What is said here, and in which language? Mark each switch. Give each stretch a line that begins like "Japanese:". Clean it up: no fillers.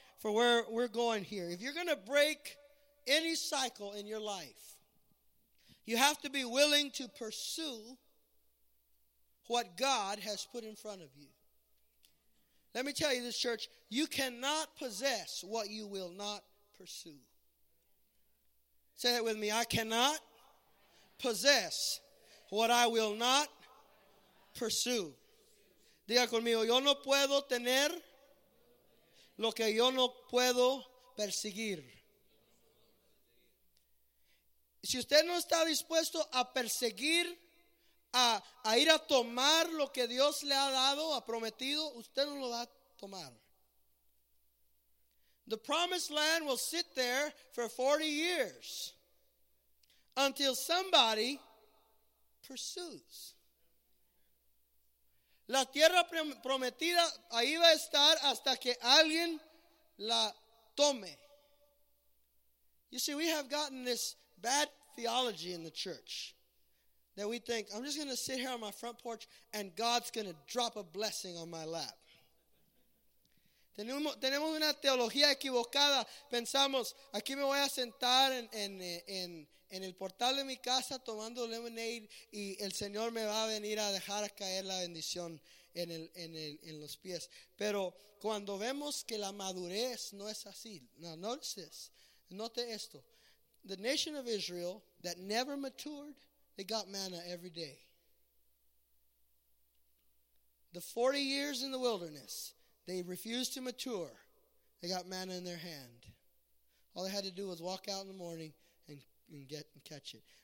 English: for where we're going here. If you're going to break any cycle in your life, you have to be willing to pursue what God has put in front of you. Let me tell you this, church, you cannot possess what you will not pursue. Say that with me. I cannot possess what I will not pursue.
Spanish: Diga conmigo, yo no puedo tener lo que yo no puedo perseguir. Si usted no está dispuesto a perseguir, a ir a tomar lo que Dios le ha dado, ha prometido, usted no lo va a tomar.
English: The promised land will sit there for 40 years until somebody pursues.
Spanish: La tierra prometida ahí va a estar hasta que alguien la tome.
English: You see, we have gotten this bad theology in the church that we think, I'm just going to sit here on my front porch and God's going to drop a blessing on my lap.
Spanish: Tenemos una teología equivocada. Pensamos, aquí me voy a sentar en el portal de mi casa tomando lemonade y el Señor me va a venir a dejar caer la bendición en los pies. Pero cuando vemos que la madurez no es así.
English: Now notice this.
Spanish: Note esto.
English: The nation of Israel that never matured, they got manna every day. The 40 years in the wilderness, they refused to mature. They got manna in their hand. All they had to do was walk out in the morning and catch it.